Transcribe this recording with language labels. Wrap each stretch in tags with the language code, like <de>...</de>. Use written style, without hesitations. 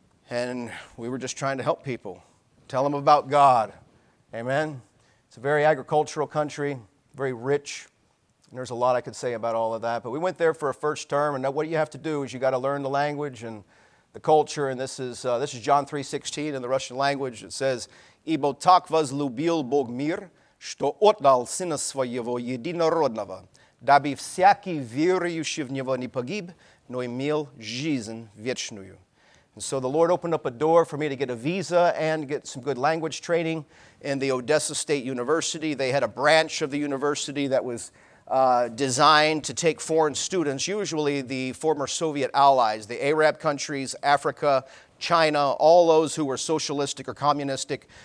<en>And we were just trying to help people. Tell them about God. Amen? It's a very agricultural country, very rich. And there's a lot I could say about all of that. But we went there for a first term, and what you have to do is you got to learn the language and the culture. And this is John 3:16 in the Russian language. It says,</en> <ru>"Ибо так возлюбил Бог мир, что отдал Сына Своего Единородного, дабы всякий верующий в Него не погиб, но имел жизнь вечную."</ru> <en>And so the Lord opened up a door for me to get a visa and get some good language training in the Odessa State University. They had a branch of the university that was designed to take foreign students, usually the former Soviet allies, the Arab countries, Africa, China, all those who were socialistic or communistic.</en>